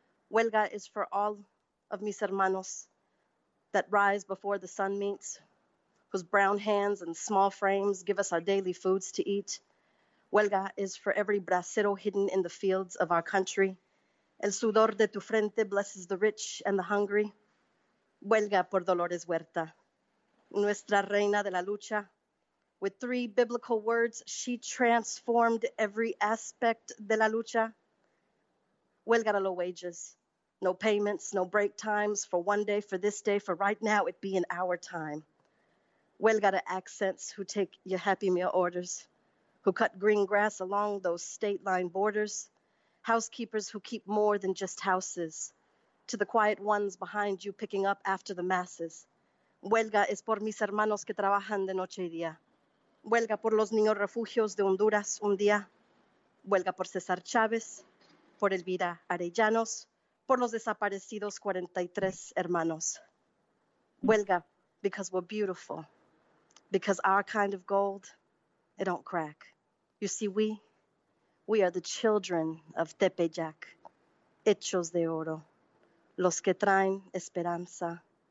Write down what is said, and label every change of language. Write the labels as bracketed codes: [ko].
[en] Huelga is for all of [es] mis hermanos [en] that rise before the sun meets, whose brown hands and small frames give us our daily foods to eat. Huelga is for every bracero hidden in the fields of our country. [es] El sudor de tu frente [en] blesses the rich and the hungry. [es] Huelga por Dolores Huerta, nuestra reina de la lucha. [en] With three biblical words, she transformed every aspect [es] de la lucha. [en] Huelga de los wages. No payments, no break times for one day, for this day, for right now, it be an hour time. Huelga de accents who take your Happy Meal orders, who cut green grass along those state line borders, housekeepers who keep more than just houses, to the quiet ones behind you picking up after the masses. [es] Huelga es por mis hermanos que trabajan de noche y día. Huelga por los niños refugios de Honduras un día. Huelga por Cesar Chavez, por Elvira Arellanos, por los desaparecidos 43 hermanos. [en] Huelga because we're beautiful, because our kind of gold, it don't crack. You see, we are the children of Tepeyac, [es] hechos de oro, los que traen esperanza.